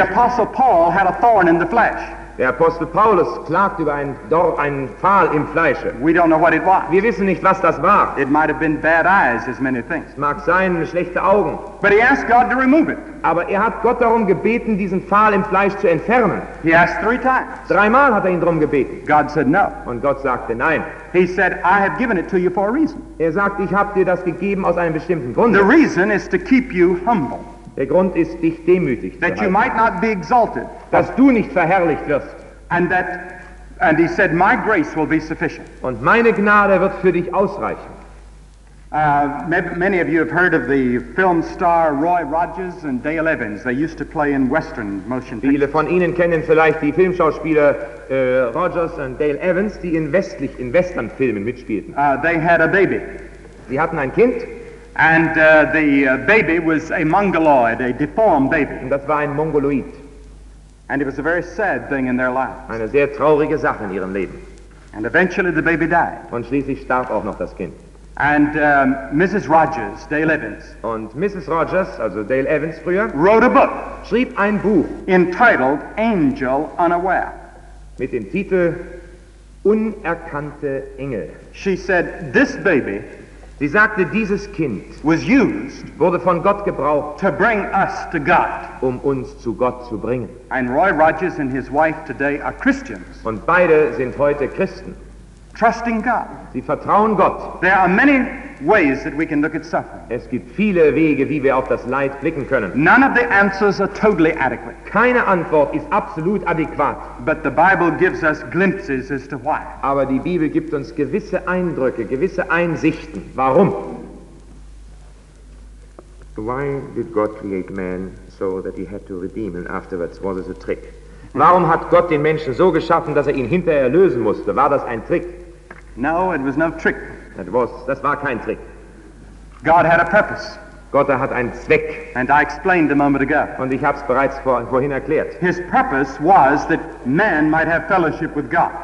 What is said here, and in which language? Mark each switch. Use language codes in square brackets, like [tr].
[en] The Apostle Paul had a thorn in the flesh. [de] Der Apostel Paulus klagt über einen Pfahl im Fleische. [en] We don't know what it was. [de] Wir wissen nicht, was das war. [en] It might have been bad eyes, as many things. [de] Es mag sein, schlechte Augen. [en] But he asked God to remove it. [de] Aber er hat Gott darum gebeten, diesen Pfahl im Fleisch zu entfernen. [en] He asked three times. [de] Dreimal hat er ihn darum gebeten. [en] God said no. [de] Und Gott sagte nein. [en] He said, I have given it to you for a reason. [de] Er sagt, ich habe dir das gegeben aus einem bestimmten Grund. [en] The reason is to keep you humble. [de] Der Grund ist, dich demütig zu halten. [en] That you might not be exalted. [de] Dass du nicht verherrlicht wirst. [en] And he said, my grace will be sufficient. [de] Und meine Gnade wird für dich ausreichen. [en] Many of you have heard of the film star Roy Rogers and Dale Evans. They used to play in Western motion pictures. [de] Viele von Ihnen kennen vielleicht die Filmschauspieler Rogers und Dale Evans, die in Westernfilmen mitspielten. [en] They had a baby. [de] Sie hatten ein Kind. [en] And the baby was a mongoloid, a deformed baby. [de] Und das war ein Mongoloid. [en] And it was a very sad thing in their lives. [de] Eine sehr traurige Sache in ihrem Leben. [en] And eventually the baby died. [de] Und schließlich starb auch noch das Kind. [en] And Mrs. Rogers, Dale Evans. [de] Und Mrs. Rogers, also Dale Evans früher, [en] wrote a book. [de] Schrieb ein Buch. [en] Entitled Angel Unaware. [de] Mit dem Titel Unerkannte Engel. [en] She said, this baby, [de] sie sagte, dieses Kind [en] was used, [de] wurde von Gott gebraucht, [en] to bring us to God, [de] um uns zu Gott zu bringen. [en] And Roy Rogers and his wife today are Christians. [de] Und beide sind heute Christen. [en] Trusting God. [de] Sie vertrauen Gott. [en] There are many ways that we can look at suffering. [de] Es gibt viele Wege, wie wir auf das Leid blicken können. [en] None of the answers are totally adequate. [de] Keine Antwort ist absolut adäquat. [en] But the Bible gives us glimpses as to why. [de] Aber die Bibel gibt uns gewisse Eindrücke, gewisse Einsichten. Warum? [en] Why did God create man so that he had to redeem him afterwards? Was it a trick? [de] Warum hat Gott den Menschen so geschaffen, dass er ihn hinterher erlösen musste? War das ein Trick? [en] No, it was no trick. [de] Das war kein Trick. [en] God had a purpose. [de] Gott hat einen Zweck. [en] And I explained a moment ago. [de] Und ich habe es bereits vorhin erklärt. [en] His purpose was that man might have fellowship with God.